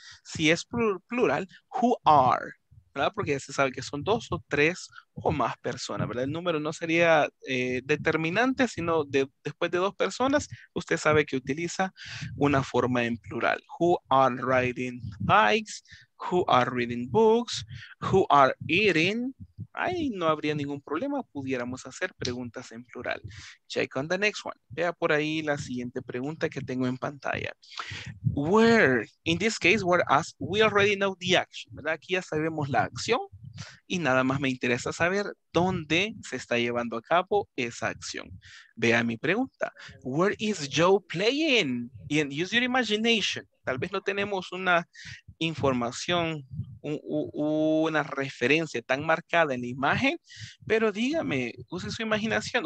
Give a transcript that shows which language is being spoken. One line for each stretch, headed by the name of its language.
Spanish: Si es plural,
English: who are,
Spanish: ¿verdad? Porque ya se sabe que son dos o tres o más personas, ¿verdad? El número no sería determinante, sino después de dos personas, usted sabe que utiliza una forma en plural.
English: Who are riding bikes? Who are reading books? Who are eating?
Spanish: Ahí no habría ningún problema. Pudiéramos hacer preguntas en plural.
English: Check on the next one.
Spanish: Vea por ahí la siguiente pregunta que tengo en pantalla.
English: Where? In this case, where as we already know the action.
Spanish: ¿Verdad? Aquí ya sabemos la acción. Y nada más me interesa saber dónde se está llevando a cabo esa acción. Vea mi pregunta.
English: Where is Joe playing? And use your imagination.
Spanish: Tal vez no tenemos una información, una referencia tan marcada en la imagen, pero dígame, use su imaginación.